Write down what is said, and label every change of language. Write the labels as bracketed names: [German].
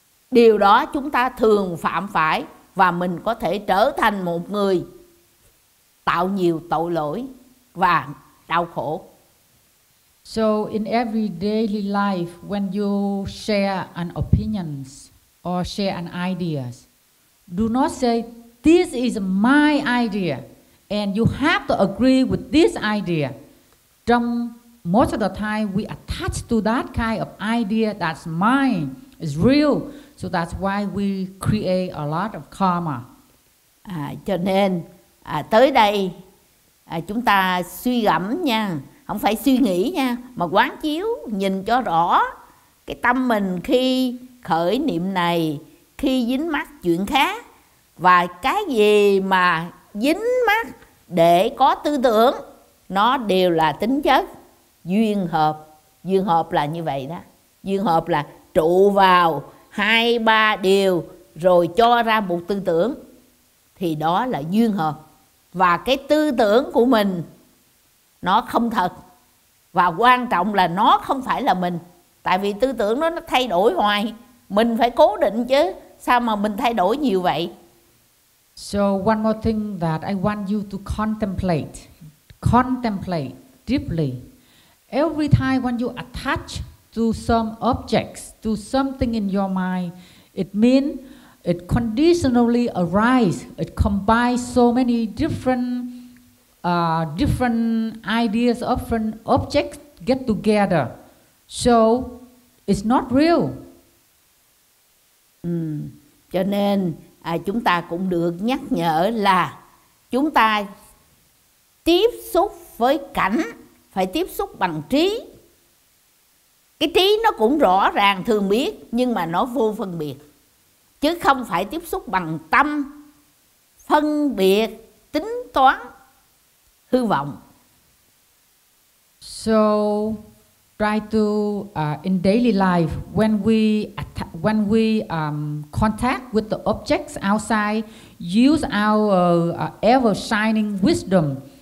[Vietnamese] Điều đó chúng ta thường phạm phải và mình có thể trở thành một người tạo nhiều tội lỗi và đau khổ. [English] So in every daily life, when you share an opinion or share an idea, do not say this is my idea and you have to agree with this idea. [Vietnamese] Trong [English] most of the time we attach to that kind of idea that's mine, it's real. So that's why we create a lot of karma. [Vietnamese] À, cho nên tới đây chúng ta suy gẫm nha, không phải suy nghĩ nha, mà quán chiếu nhìn cho rõ cái tâm mình khi khởi niệm này, khi dính mắc chuyện khác, và cái gì mà dính mắc để có tư tưởng, nó đều là tính chất duyên hợp. Duyên hợp là như vậy đó. Duyên hợp là trụ vào hai ba điều rồi cho ra một tư tưởng, thì đó là duyên hợp. Và cái tư tưởng của mình nó không thật, và quan trọng là nó không phải là mình. Tại vì tư tưởng nó thay đổi hoài, mình phải cố định chứ, sao mà mình thay đổi nhiều vậy. [English] So one more thing that I want you to contemplate. Contemplate deeply. Every time when you attach to some objects, to something in your mind, it means it conditionally arise. It combines so many different ideas, different objects get together. So it's not real. [Vietnamese] Cho nên chúng ta cũng được nhắc nhở là chúng ta tiếp xúc với cảnh phải tiếp xúc bằng trí. Cái trí nó cũng rõ ràng thường biết, nhưng mà nó vô phân biệt, chứ không phải tiếp xúc bằng tâm, phân biệt, tính toán, hư vọng. [English] So try to in daily life when we contact with the objects outside, use our ever shining wisdom.